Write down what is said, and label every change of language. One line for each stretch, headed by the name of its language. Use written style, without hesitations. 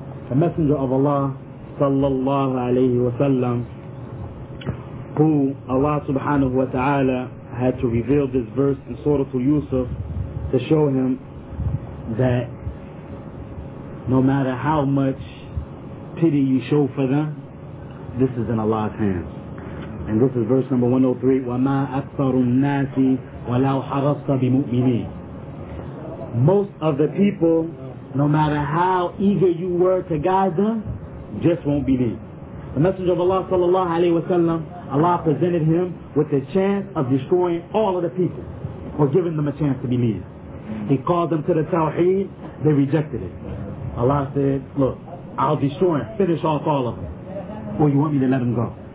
English: The Messenger of Allah, sallallahu alayhi wa sallam, who Allah subhanahu wa ta'ala had to reveal this verse in Surah to Yusuf to show him that no matter how much pity you show for them, this is in Allah's hands. And this is verse number 103,
Arabic: وَمَا أَكْثَرُ النَّاسِ وَلَوْ حَرَصْتَ بِمُؤْمِنِينَ.
English: Most of the people, no matter how eager you were to guide them, just won't believe. The Messenger of Allah sallallahu alayhi wa sallam, Allah presented him with the chance of destroying all of the people or giving them a chance to believe. He called them to the Tawheed, they rejected it. Allah said, look, I'll destroy them, finish off all of them. Or you want me to let them go?